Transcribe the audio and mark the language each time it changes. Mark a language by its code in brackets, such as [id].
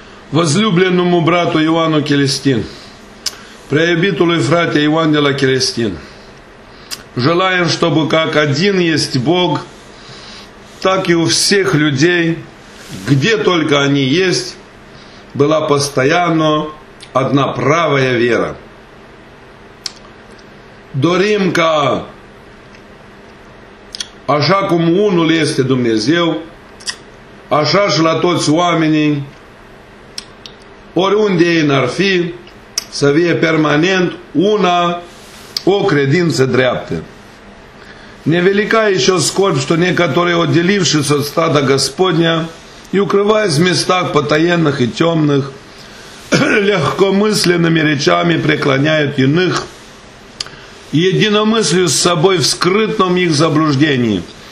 [ru] Возлюбленному брату Иоанну Келестин, преобитулу и фрате Иоанн де ла Келестин, желаем, чтобы как один есть Бог, так и у всех людей, где только они есть, была постоянно одна правая вера. [ro] Dorim ca, așa cum unul este Dumnezeu, așa și la toți oamenii, oriunde ei n-ar fi, să fie permanent una, o credință dreaptă. [ru] Невеликая еще скорбь, что некоторые, отделившись от стада Господня и укрываясь в местах потаенных и темных, легкомысленными речами преклоняют иных, единомыслию с собой в скрытном их заблуждении.